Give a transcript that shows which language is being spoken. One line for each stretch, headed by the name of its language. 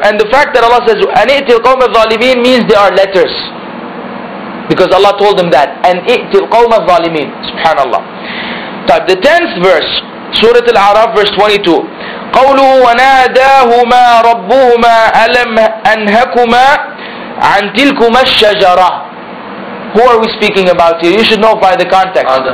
English: And the fact that Allah says
Arabic: أن ائتي القوم الظالمين
English: means they are letters, because Allah told him that أن ائتي القوم الظالمين.
Arabic: سبحان الله. طيب,
English: the 10th verse,
Arabic: سورة الأعراف, verse 22, قوله وناداهما ربهما ألم أنهكما عن تلكما الشجرة.
English: Who are we speaking about here? You should know by the context.